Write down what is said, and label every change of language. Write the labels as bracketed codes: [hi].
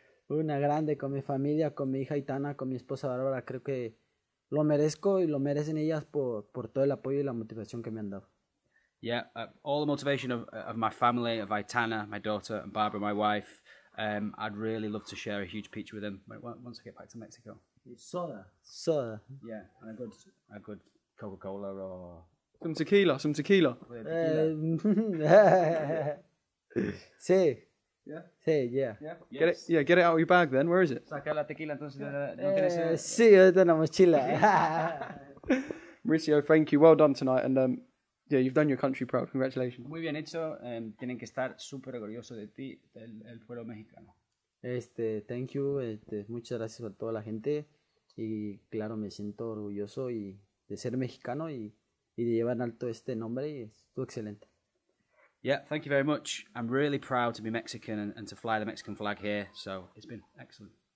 [es] Una grande con mi familia, con mi hija Itana, con mi esposa Bárbara. Creo que lo merezco y lo merecen ellas por todo el apoyo y la motivación que me han dado. [en] Yeah, all the motivation of my family, of Itana, my daughter, and Barbara, my wife. I'd really love to share a huge pizza with them once I get back to Mexico. Soda. Yeah, and a good Coca-Cola or... Some tequila. [es] Sí. [en] Yeah. [es] Sí, yeah. [en] Yeah. Get yes. It, yeah, get it out of your bag then. Where is it? [es] Saca la tequila entonces. Sí, yo tengo la mochila. [en] Mauricio, thank you. Well done tonight. And yeah, you've done your country proud. Congratulations. [es] Muy bien hecho. Tienen que estar súper orgullosos de ti, del pueblo mexicano. [en] Thank you. [es] Muchas gracias a toda la gente. Y claro, me siento orgulloso y de ser mexicano y de llevar alto este nombre, y estuvo excelente. [en] Yeah, thank you very much. I'm really proud to be Mexican and to fly the Mexican flag here, so it's been excellent.